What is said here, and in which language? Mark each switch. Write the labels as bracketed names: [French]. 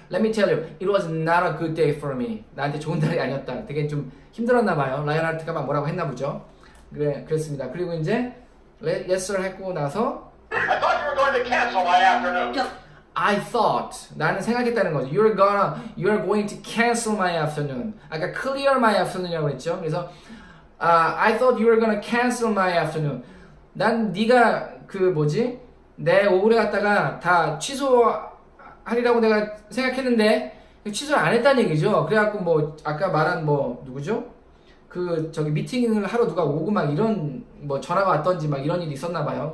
[English] Let me tell you, it was not a good day for me. [Korean] 나한테 좋은 날이 아니었다. 되게 좀 힘들었나 봐요. 라이언하트가 막 뭐라고 했나 보죠. 그래, 그랬습니다. 그리고 이제 [English] Yes sir [Korean] 했고 나서 [English] I thought you were going to cancel my afternoon. I thought [Korean] 나는 생각했다는 거죠. [English] You're gonna, you're going to cancel my afternoon. [Korean] 아까 [English] clear my afternoon [Korean] 이라고 그랬죠. 그래서 [English] I thought you were gonna cancel my afternoon. [Korean] 난 네가 그 뭐지 내 오후를 갖다가 다 취소하리라고 내가 생각했는데 취소를 안 했다는 얘기죠. 그래갖고 뭐 아까 말한 뭐 누구죠? 그 저기 미팅을 하러 누가 오고 막 이런 뭐 전화가 왔던지 막 이런 일이 있었나 봐요.